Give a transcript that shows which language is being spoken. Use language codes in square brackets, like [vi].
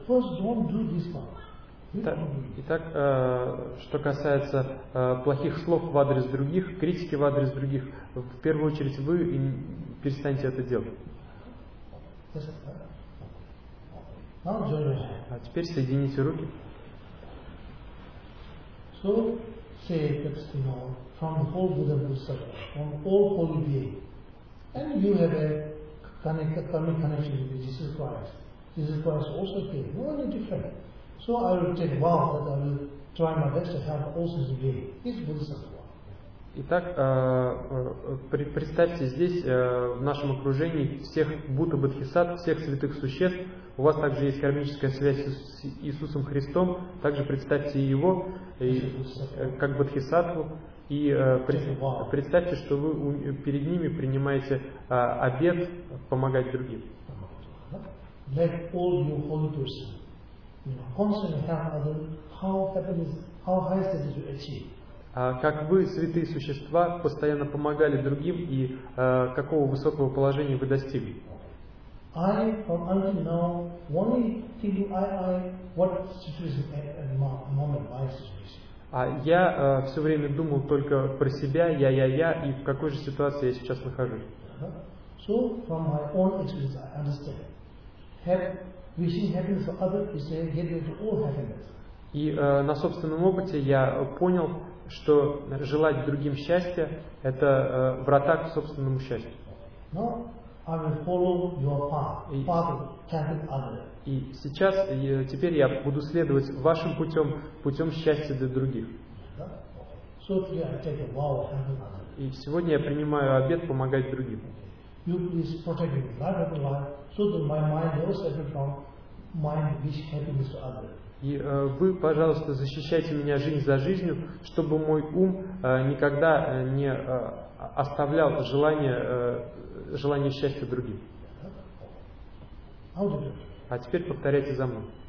[ru] Итак, что касается плохих слов в адрес других, критики в адрес других, в первую очередь вы перестаньте это делать. А теперь соедините руки. [en] So say that, you know, from the whole Buddha Buddhist, from all holy being, and you have a karmic connection with Jesus Christ. Jesus Christ also came, no any different. So I will take vow that I will try my best to help also the gay. It's Buddhist. [ru] Итак, представьте здесь, в нашем окружении, всех Будда Бодхисаттв, всех святых существ. У вас также есть кармическая связь с Иисусом Христом. Также представьте его как Бодхисаттву. И представьте, что вы перед ними принимаете обет помогать другим. [en] Let all your holy person, you know, constantly help others. How happiness, how high status you achieve. [ru] Как вы, святые существа, постоянно помогали другим и какого высокого положения вы достигли? [en] I, from until now, only think I what situation at the moment, my situation. [ru] Я все время думал только про себя, я, и в какой же ситуации я сейчас нахожусь? [en] So, from my own experience, I understand. Wishing happiness for others is a gateway to all happiness. [ru] И на собственном опыте я понял, что желать другим счастья – это врата к собственному счастью. [en] No, I will follow your path of helping others. [ru] И сейчас, теперь я буду следовать вашим путем, путем счастья для других. [en] So today I take a vow of helping others. [ru] И сегодня я принимаю обет помогать другим. [en] You please protect me, life after life, so that my mind never separate from mind which happiness to others. [ru] И вы, пожалуйста, защищайте меня жизнь за жизнью, чтобы мой ум никогда не оставлял желание счастья другим. А теперь повторяйте за мной.